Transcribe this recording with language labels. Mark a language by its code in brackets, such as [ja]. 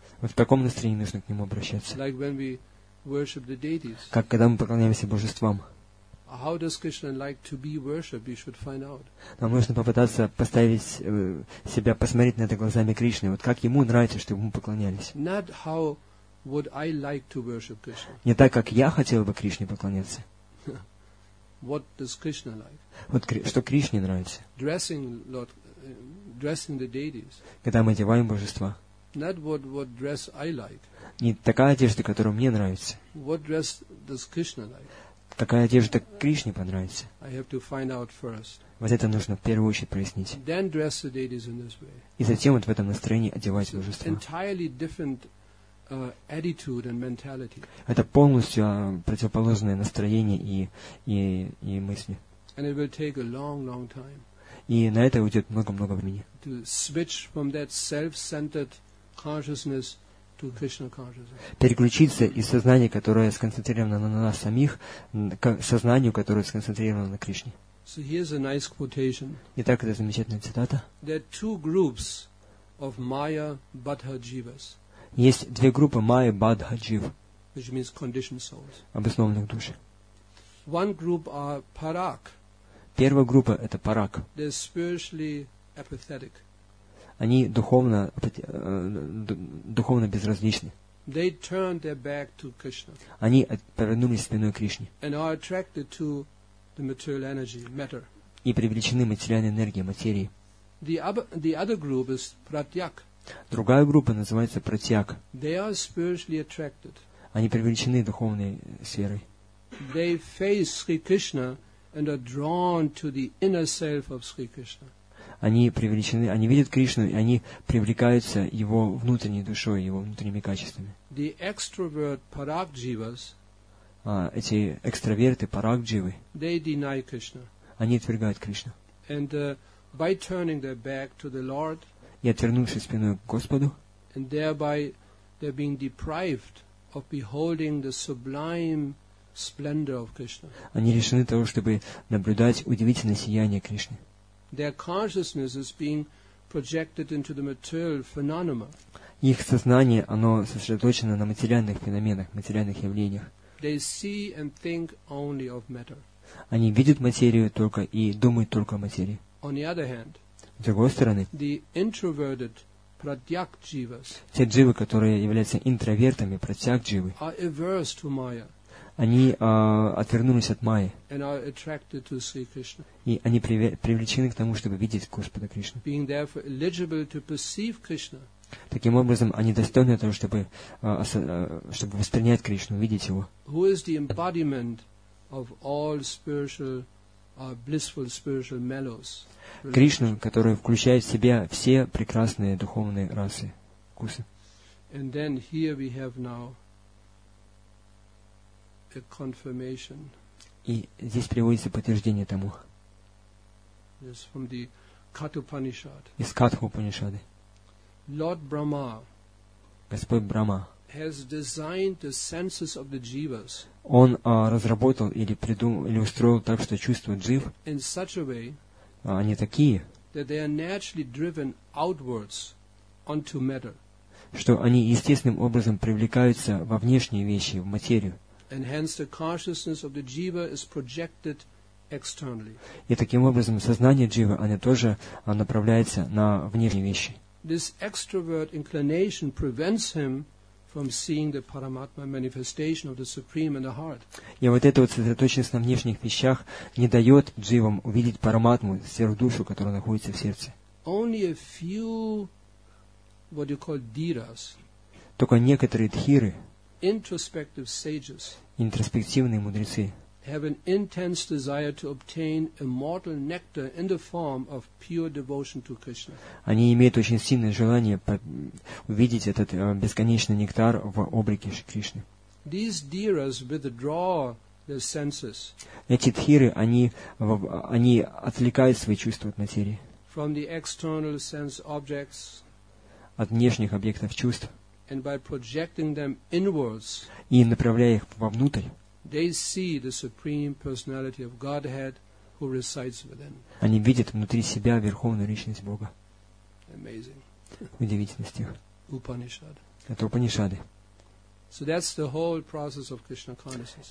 [ru] Вот в таком настроении нужно к нему обращаться. [en] Like when we worship the deities. [ru] Как когда мы поклоняемся божествам. [en] How does Krishna like to be worshipped? We should find out. [ru] Нам нужно попытаться поставить себя, посмотреть на это глазами Кришны. Вот как ему нравится, чтобы ему поклонялись. [en] Not how would I like to worship Krishna. [ru] Не так, как я хотел бы Кришне поклоняться. [en] What does Krishna like? [ru] Вот что Кришне нравится. [en] Dressing the deities. [ru] Когда мы одеваем божества. [en] Not what dress I like. [ru] Не такая одежда, которая мне нравится. [en] What dress does Krishna like? [ru] Какая одежда Кришне понравится? [en] I have to find out first. [ru] Вот это нужно в первую очередь прояснить. [en] Then dress the ladies in this way. [ru] И затем вот в этом настроении одевать мужество. [en] Entirely different attitude and mentality. [ru] Это полностью противоположное настроение и мысли. [en] And it will take a long, long time. [ru] И на это уйдет много-много времени. [en] To switch from that self-centered consciousness to Krishna consciousness. [ru] Переключиться из сознания, которое сконцентрировано на нас самих, к сознанию, которое сконцентрировано на Кришне. [en] So here's a nice quotation. [ru] Итак, это замечательная цитата. [en] There are two groups of Maya Badha Jivas. [ru] Есть две группы Maya Badha Jiv. [en] Which means conditioned souls. [ru] Обоснованных душ. [en] One group are Parak. [ru] Первая группа это Парак. [en] They're spiritually apathetic. [ru] Они духовно безразличны. [en] They turned their back to Krishna. [ru] Они повернулись спиной к Кришне. [en] And are attracted to the material energy, matter. [ru] И привлечены материальной энергией, материей. [en] The other group is Pratyak. [ru] Другая группа называется Pratyak. [en] They are spiritually attracted. [ru] Они привлечены духовной сферой. [en] They face Sri Krishna and are drawn to the inner self of Sri Krishna. [ru] Они привлечены, они видят Кришну, и они привлекаются Его внутренней душой, Его внутренними качествами. [en] The extrovert Parakjivas, [ru] эти экстраверты, Паракдживы, [en] they deny Krishna. [ru] Они отвергают Кришну. [en] And, by turning their back to the Lord, [ru] и отвернувшись спиной к Господу, [en] and thereby they're being deprived of beholding the sublime splendor of Krishna. [ru] Они лишены того, чтобы наблюдать удивительное сияние Кришны. [en] Their consciousness is being projected into the material phenomena. [ru] Их сознание, оно сосредоточено на материальных феноменах, материальных явлениях. [en] They see and think only of matter. [ru] Они видят материю только и думают только о материи. [en] On the other hand, [ru] с другой стороны, [en] the introverted pratyak jivas, [ru] те дживы, которые являются интровертами, pratyak jivы, [en] are averse to Maya. [ru] Они отвернулись от Майи. [en] And are attracted to Sri Krishna. [ru] И они привлечены к тому, чтобы видеть Господа Кришну. [en] Being therefore eligible to perceive Krishna. [ru] Таким образом, они достойны того, чтобы воспринять Кришну, видеть Его. [en] Who is the embodiment of all spiritual, blissful spiritual mellows? [ru] Кришна, который включает в себя все прекрасные духовные расы, вкусы. [en] And then here we have now a confirmation. [ru] И здесь приводится подтверждение тому. [en] This from the Katupanishad. [ru] Из Катхупанишады. [en] Lord Brahma. [ru] Господь Брахма. [en] Has designed the senses of the jivas. [ru] Он разработал или придумал или устроил так, что чувствуют джив. [en] In such a way. [ru] Они такие. [en] That they are naturally driven outwards onto matter. [ru] Что они естественным образом привлекаются во внешние вещи, в материю. [en] And hence the consciousness of the jiva is projected externally. [ru] И таким образом сознание дживы, оно тоже направляется на внешние вещи. [en] This extrovert inclination prevents him from seeing the Paramatma manifestation of the Supreme in the heart. [ru] И вот эта вот сосредоточенность на внешних вещах не дает дживам увидеть Параматму, сверхдушу, которая находится в сердце. [en] Only a few, what you call dhiras. [ru] Только некоторые дхиры. [en] Introspective sages. [ru] Интроспективные мудрецы. [en] Have an intense desire to obtain immortal nectar in the form of pure devotion to Krishna. [ru] Они имеют очень сильное желание увидеть этот бесконечный нектар в облике Кришны. [en] These dhiras withdraw their senses. [ru] Эти дхиры, они отвлекают свои чувства от материи. [en] From the external sense objects. [ru] От внешних объектов чувств. [en] And by projecting them inwards, [ru] и направляя их вовнутрь, [en] they see the Supreme Personality of Godhead who resides within. [ru] Они видят внутри себя Верховную Личность Бога. [en] Amazing. [ru] Удивительный стих. [en] Upanishad. [ru] Это Упанишады. [en] So that's the whole process of Krishna consciousness.